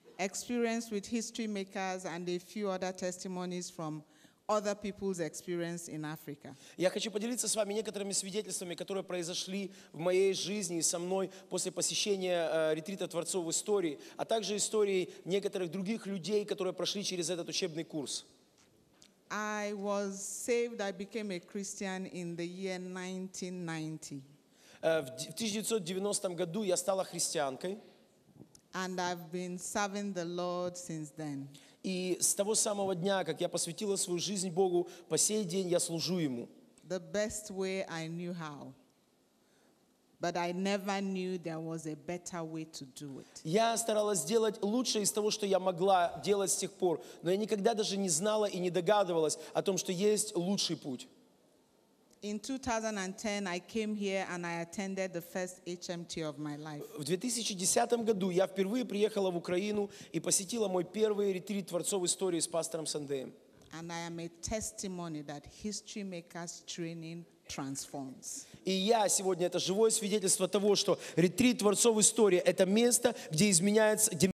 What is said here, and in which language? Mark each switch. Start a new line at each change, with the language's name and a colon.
English: experience with history makers and a few other testimonies from other people's experience in Africa.
Russian: Я хочу поделиться с вами некоторыми свидетельствами, которые произошли в моей жизни со мной после посещения ретрита Творцов в истории, а также историей некоторых других людей, которые прошли через этот учебный курс.
English: I was saved, I became a Christian in the year 1990.
Russian: В 1990 году я стала христианкой.
English: And I've been serving the Lord since then.
Russian: И с того самого дня, как я посвятила свою жизнь Богу, по сей день я служу Ему.
English: The best way I knew how. But I never knew there was a better way to do it.
Russian: Я старалась сделать лучшее из того, что я могла делать с тех пор, но я никогда даже не знала и не догадывалась о том, что есть лучший путь.
English: In 2010, I came here and I attended the first HMT of my life.
Russian: В 2010 году я впервые приехала в Украину и посетила мой первый ретрит Творцов истории с пастором Сандеем.
English: And I am a testimony that history makers training transforms.
Russian: И я сегодня это живое свидетельство того, что ретрит Творцов истории — это место, где изменяется.